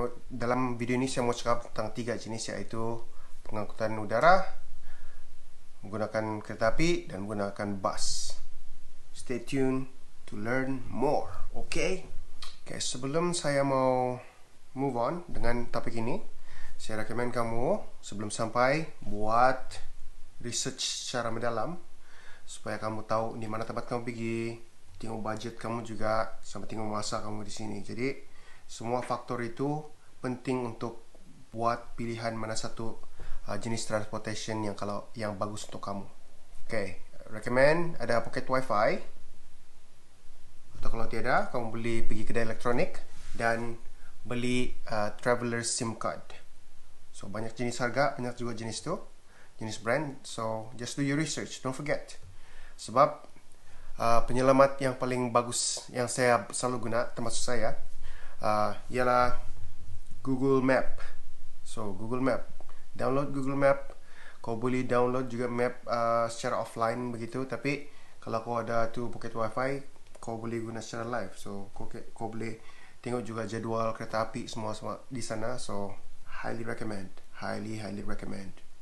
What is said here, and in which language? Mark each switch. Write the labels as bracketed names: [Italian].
[Malay] Dalam video ini saya mau cakap tentang tiga jenis, yaitu pengangkutan udara, menggunakan kereta api, dan menggunakan bus. [English] Stay tuned to learn more. [Malay] Okay, sebelum saya mau [English] move on [Malay] dengan topik ini, saya rekomen kamu sebelum sampai buat research secara mendalam supaya kamu tahu di mana tempat kamu pergi, tengok budget kamu juga, sama tengok masa kamu di sini. Jadi semua faktor itu penting untuk buat pilihan mana satu jenis transportation yang kalau yang bagus untuk kamu. Okay, rekomen ada pocket wifi. Atau kalau tiada, kamu boleh pergi kedai elektronik dan beli traveler SIM card. So banyak jenis harga, banyak juga jenis tu, jenis brand. [English] So just do your research, don't forget. [Malay] Sebab penyelamat yang paling bagus yang saya selalu guna termasuk saya ialah Google Map. So Google Map, download Google Map. Kau boleh download juga map secara offline begitu, tapi kalau kau ada tu pocket wifi, kau boleh guna secara live. So kau boleh tengok juga jadual kereta api semua-semua di sana. [English] So highly recommend, highly highly recommend.